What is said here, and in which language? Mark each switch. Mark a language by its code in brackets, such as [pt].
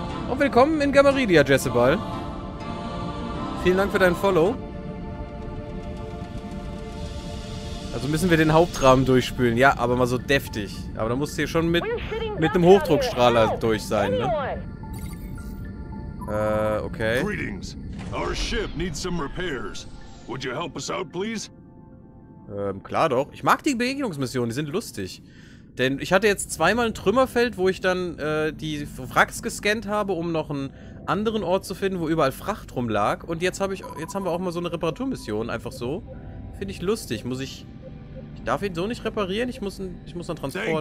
[de] Und willkommen in Gamaridia, Jessebal. Vielen Dank für deinen Follow. Also müssen wir den Hauptrahmen durchspülen. Ja, aber mal so deftig. Aber da musst du hier schon mit einem Hochdruckstrahler durch sein, ne? Okay. [en] Greetings. Our ship needs some repairs. Would you help us out, please? [de] Klar doch. Ich mag die Begegnungsmissionen, die sind lustig. Denn ich hatte jetzt zweimal ein Trümmerfeld, wo ich dann die Wracks gescannt habe, um noch einen anderen Ort zu finden, wo überall Fracht rumlag. Und jetzt haben wir auch mal so eine Reparaturmission, einfach so. Finde ich lustig. Ich darf ihn so nicht reparieren, ich muss dann transporten.